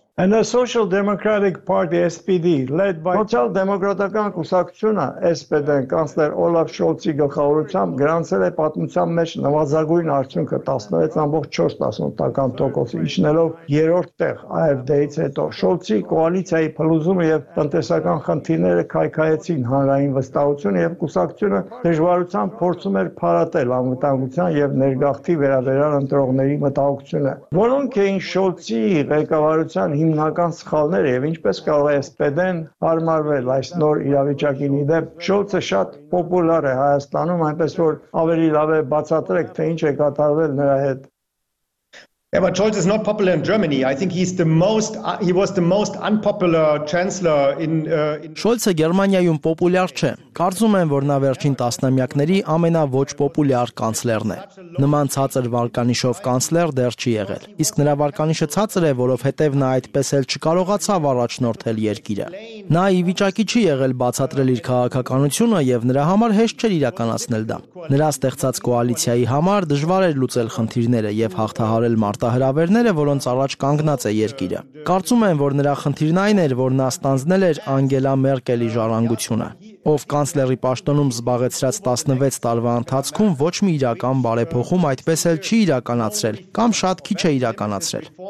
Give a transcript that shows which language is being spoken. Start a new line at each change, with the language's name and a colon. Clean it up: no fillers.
English: And the Social Democratic Party SPD led by Social
Armenian: Democratական կուսակցությունը SPD-ն կանսլեր Օլաֆ Շոլցի գլխավորությամբ գրանցել է պատմության մեջ նվազագույն արդյունքը 16.4%-ի իջնելով 3-րդ տեղ AfD-ից հետո։ Շոլցի կոալիցիայի փլուզումը եւ տնտեսական խնդիրները քայքայեցին հանրային վստահությունը եւ կուսակցությունը դժվարությամբ փորձում էր փարատել անվտանգության եւ ներգաղթի վերաբերան ընտրողների մտահոգությունը։ Որոնք էին Շոլցի ղեկավարության հիմնական սխալները եւ ինչպես կարող է SPD-ն հարմարվել այս նոր իրավիճակին ի դեպ։ Շոլցը շատ պոպուլար է Հայաստանում, այնպես որ ավելի լավ է բացատրեք, թե ինչ է կատարվել նրա հետ։
English: Yeah, but Scholz is not popular in Germany. I think he's the most he was the most unpopular chancellor in
Armenian: Scholz-ը Գերմանիայում պոպուլյար չէ։ Կարծում եմ, որ նա վերջին տասնամյակների ամենաոչ պոպուլյար կանցլերն է։ Նման ցածր վարկանիշով կանցլեր դեռ չի եղել։ Իսկ նրա վարկանիշը ցածր է, որովհետև նա այդպես էլ չկարողացավ առաջնորդել երկիրը։ Նա ի վիճակի չի եղել բացատրել իր քաղաքականությունը եւ նրա համար հեշտ չէր իրականացնել դա։ Նրա ստեղծած կոալիցիայի համար դժվար էր լուծել խնդիրները եւ հաղթահարել մարտահրավերները, որոնց առաջ կանգնած է երկիրը։ Կարծում եմ, որ նրա խնդիրն այն էր, որ նա ստանձնել էր Անգելա Մերկելի ժառանգությունը, ով կանցլերի պաշտոնում զբաղեցրած 16 տարվա ընթացքում ոչ մի իրական բարեփոխում այդպես էլ չի իրականացրել, կամ շատ քիչ է իրականացրել։